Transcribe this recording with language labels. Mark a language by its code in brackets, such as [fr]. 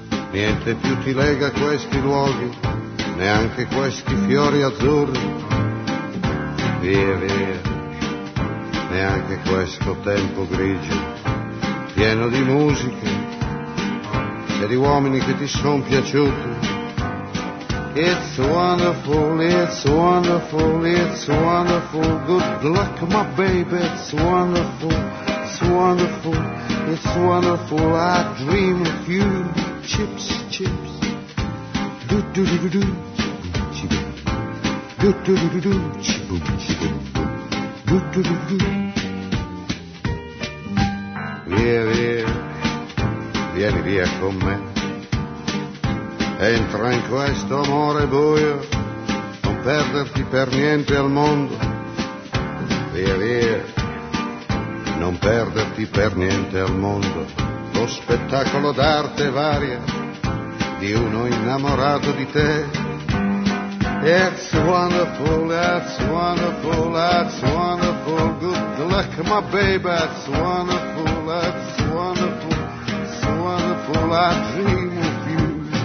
[it] Niente più ti lega questi luoghi, neanche questi fiori azzurri. Via, via, neanche questo tempo grigio, pieno di musiche e di uomini che ti son piaciuti. [en] It's wonderful, it's wonderful, it's wonderful. Good luck, my baby, it's wonderful. It's wonderful, it's wonderful. I dream of you. Chips, chips. Do do do do do do do do do do do do do do do do do. [it] Via, via, vieni via con me. Entra in questo amore buio, non perderti per niente al mondo. Via, via, non perderti per niente al mondo. Lo spettacolo d'arte varia di uno innamorato di te. [en] It's wonderful, that's wonderful, that's wonderful. Good luck, my baby, that's wonderful, that's wonderful. It's wonderful, I dream of you.